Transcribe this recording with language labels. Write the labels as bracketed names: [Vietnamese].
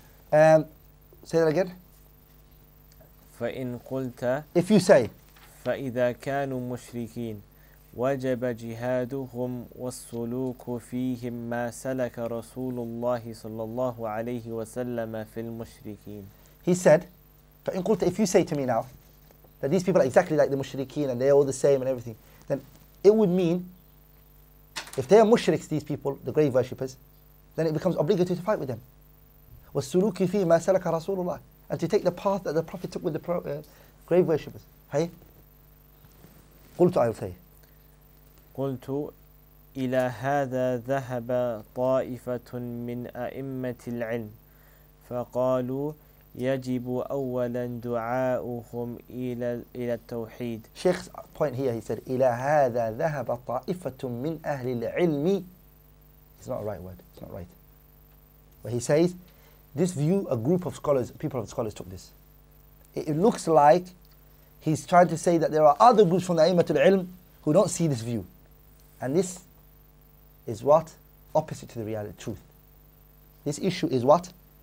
[English] Say that again. [Arabic] فإن قلت [English] if you say [Arabic] فإذا كانوا مشركين وجب جهادهم والسلوك فيهم ما سلك رسول الله صلى الله عليه وسلم في المشركين. [English] He said [Arabic] فإن قلت [English] if you say to me now that these people are exactly like the مشركين and they are all the same and everything, then it would mean if they are مشركs, these people, the grave worshippers, then it becomes obligatory to fight with them. [Arabic] والسلوك فيهم ما سلك رسول الله. [English] And to take the path that the Prophet took with the grave worshippers. Hey? [Arabic] قلت, [English] I'll say. [Arabic] قلت إلى هذا ذهب طائفة من أئمة العلم فقالوا يجب أولا دعاؤهم إلى التوحيد. [English] Sheikh's point here, he said, [Arabic] إلى هذا ذهب طائفة من أهل العلم. [English] It's not a right word. It's not right. But he says, this view, a group of scholars, people of scholars took this. It looks like he's trying to say that there are other groups from the A'immatul Ilm who don't see this view. And this is what? Opposite to the reality, truth. This issue is what?